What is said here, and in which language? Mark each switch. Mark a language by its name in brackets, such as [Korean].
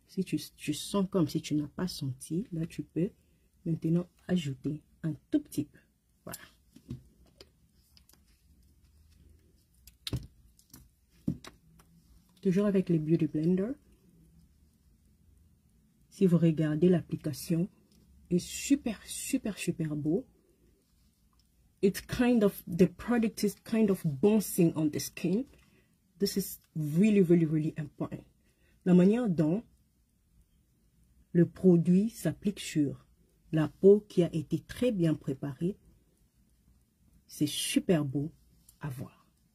[French] Si tu sens comme si tu n'as pas senti, là, tu peux maintenant ajouter un tout petit peu. Voilà. Toujours avec le Beauty Blender. Si vous regardez l'application, est super, super, super beau. [English] The product is kind of bouncing on the skin. This is really, really, really important. [French] La manière dont le produit s'applique sur la peau qui a été très bien préparée, c'est super beau à voir.